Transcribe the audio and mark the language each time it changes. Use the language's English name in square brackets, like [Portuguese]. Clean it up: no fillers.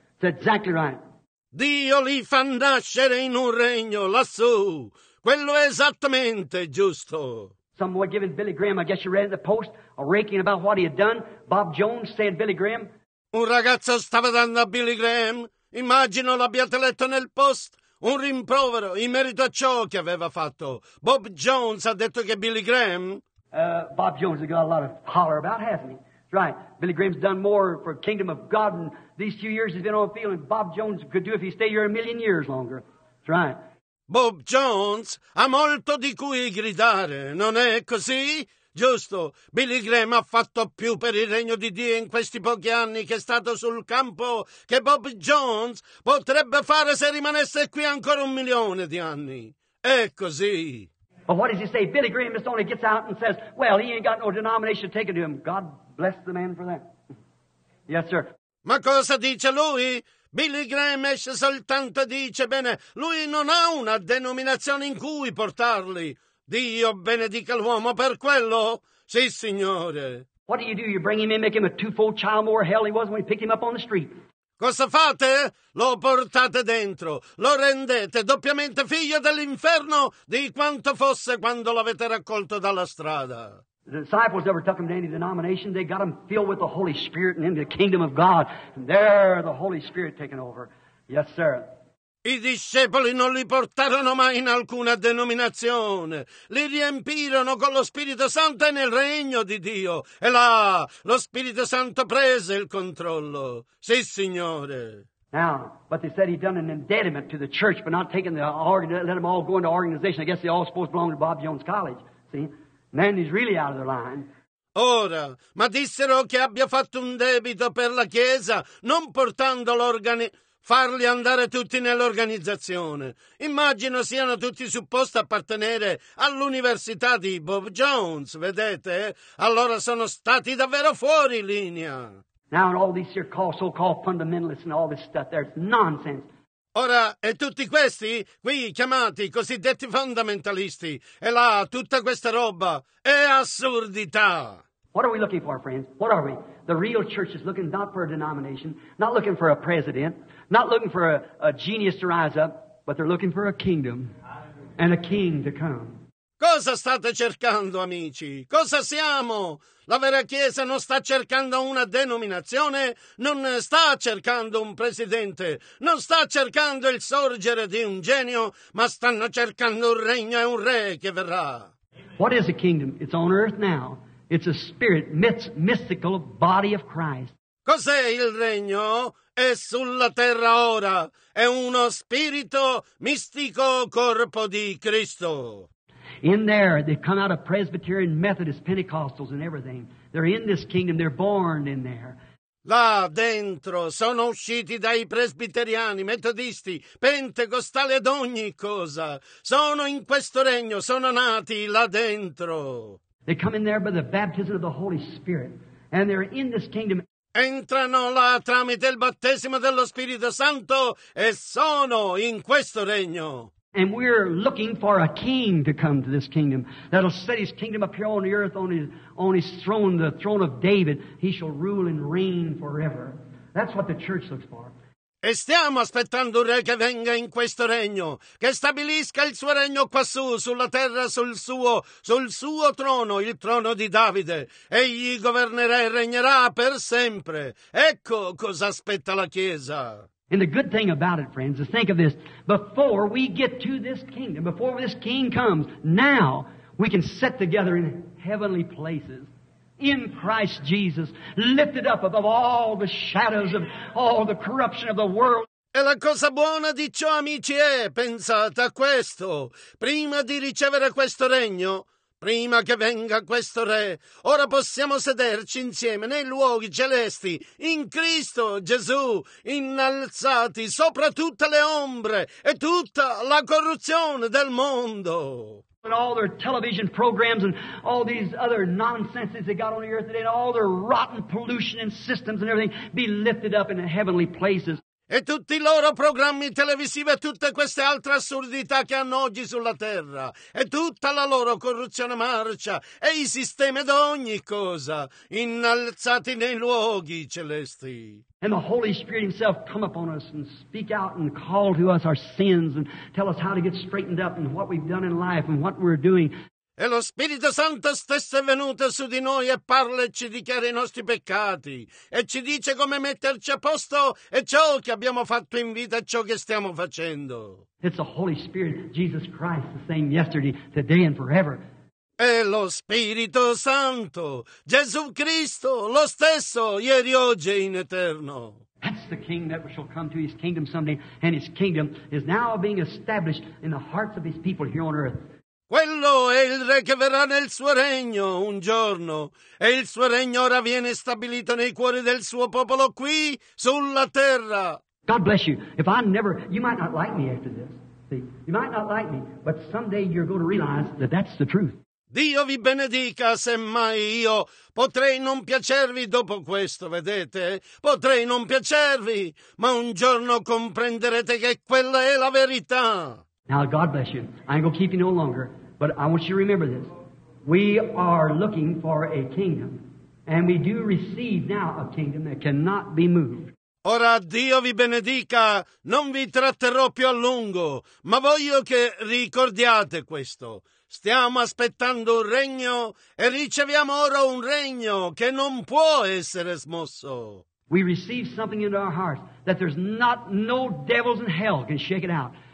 [English] That's exactly right. [Italian] Dio li fa nascere in un regno lassù. Quello è esattamente giusto. [English] Some boy giving Billy Graham, I guess you read in the post, a raking about what he had done. Bob Jones said Billy Graham. [Italian] Un ragazzo stava dando a Billy Graham. Immagino l'abbiate letto nel post. Un rimprovero in merito a ciò che aveva fatto. Bob Jones ha detto che Billy Graham... [English] Bob Jones has got a lot of holler about, hasn't he? That's right. Billy Graham's done more for the kingdom of God in these few years he's been on the field than Bob Jones could do if he stayed here a million years longer. That's right. [Italian] Bob Jones ha molto di cui gridare, non è così? Giusto, Billy Graham ha fatto più per il regno di Dio in questi pochi anni che è stato sul campo che Bob Jones potrebbe fare se rimanesse qui ancora un milione di anni. È così. [English] But what does he say? Billy Graham just only gets out and says, well, he ain't got no denomination taken to him. God bless the man for that. Yes, sir. [Italian] Ma cosa dice lui? Billy Graham esce soltanto e dice, bene, lui non ha una denominazione in cui portarli. Dio benedica l'uomo per quello? Sì, signore. [English] What do? You bring him in, make him a two-fold child more hell he was when he picked him up on the street. [Italian] Cosa fate? Lo portate dentro. Lo rendete doppiamente figlio dell'inferno di quanto fosse quando l'avete raccolto dalla strada. [English] The disciples never took him to any denomination. They got him filled with the Holy Spirit and into the kingdom of God. And there the Holy Spirit taken over. Yes, sir. [Italian] I discepoli non li portarono mai in alcuna denominazione. Li riempirono con lo Spirito Santo e nel regno di Dio. E là, lo Spirito Santo prese il controllo. Sì, Signore. [English] Now, but they said he'd done an indebtment to the church, but not taking the let them all go into organization. I guess they all supposed to belong to Bob Jones College. See? Man, he's really out of their line. [Italian] Ora, ma dissero che abbia fatto un debito per la Chiesa, non portando farli andare tutti nell'organizzazione. Immagino siano tutti supposti appartenere all'università di Bob Jones, vedete? Allora sono stati davvero fuori linea. [English] Now, all these here call, so-called fundamentalists and all this stuff, there's nonsense. [Italian] Ora, e tutti questi qui chiamati cosiddetti fondamentalisti, e là tutta questa roba è assurdità. [English] What are we looking for, friends? What are we? The real church is looking not for a denomination, not looking for a president, not looking for a genius to rise up, but they're looking for a kingdom and a king to come. [Italian] Cosa state cercando, amici? Cosa siamo? La vera Chiesa non sta cercando una denominazione, non sta cercando un presidente, non sta cercando il sorgere di un genio, ma stanno cercando un regno e un re che verrà. [English] What is a kingdom? It's on earth now. It's a spirit, mystical body of Christ. [Italian] Cos'è il regno? È sulla terra ora. È uno spirito mistico corpo di Cristo. [English] In there, they come out of Presbyterian, Methodist, Pentecostals and everything. They're in this kingdom, they're born in there. [Italian] Là dentro sono usciti dai presbiteriani, metodisti, pentecostali ed ogni cosa. Sono in questo regno, sono nati là dentro. [English] They come in there by the baptism of the Holy Spirit and they're in this kingdom. [Italian] Entrano là tramite il battesimo dello Spirito Santo e sono in questo regno. [English] And we're looking for a king to come to this kingdom that'll set his kingdom up here on the earth on his throne, the throne of David. He shall rule and reign forever. That's what the church looks for. [Italian] E stiamo aspettando un re che venga in questo regno, che stabilisca il suo regno quassù, sulla terra, sul suo trono, il trono di Davide. Egli governerà e regnerà per sempre. Ecco cosa aspetta la Chiesa. [English] And the good thing about it, friends, is think of this. Before we get to this kingdom, before this king comes, now we can sit together in heavenly places in Christ Jesus, lifted up above all the shadows of all the corruption of the world. [Italian] E la cosa buona di ciò, amici, è, pensate a questo, prima di ricevere questo regno, prima che venga questo re, ora possiamo sederci insieme nei luoghi celesti, in Cristo Gesù, innalzati sopra tutte le ombre e tutta la corruzione del mondo. [English] And all their television programs and all these other nonsenses they got on the earth today and all their rotten pollution and systems and everything be lifted up in the heavenly places. [Italian] E tutti i loro programmi televisivi e tutte queste altre assurdità che hanno oggi sulla terra e tutta la loro corruzione marcia e i sistemi ed ogni cosa innalzati nei luoghi celesti. [English] And the Holy Spirit himself come upon us and speak out and call to us our sins and tell us how to get straightened up and what we've done in life and what we're doing. [Italian] E lo Spirito Santo stesso è venuto su di noi e parla e ci dichiara i nostri peccati e ci dice come metterci a posto e ciò che abbiamo fatto in vita e ciò che stiamo facendo. [English] It's the Holy Spirit, Jesus Christ, the same yesterday, today and forever. [Italian] E lo Spirito Santo, Gesù Cristo, lo stesso, ieri, oggi e in eterno. [English] That's the King that shall come to his kingdom someday and his kingdom is now being established in the hearts of his people here on earth. [Italian] Quello è il re che verrà nel suo regno un giorno e il suo regno ora viene stabilito nei cuori del suo popolo qui sulla terra. [English] God bless you. If I never, you might not like me after this. See, you might not like me, but someday you're going to realize that that's the truth. [Italian] Dio vi benedica, semmai io potrei non piacervi dopo questo, vedete? Potrei non piacervi, ma un giorno comprenderete che quella è la verità. [English] Now, God bless you. I ain't going to keep you no longer, but I want you to remember this. We are looking for a kingdom, and we do receive now a kingdom that cannot be moved. [Italian] Ora Dio vi benedica, non vi tratterrò più a lungo, ma voglio che ricordiate questo. Stiamo aspettando un regno, e riceviamo ora un regno che non può essere smosso. [English] We receive something into our hearts that there's no devils in hell can shake it out.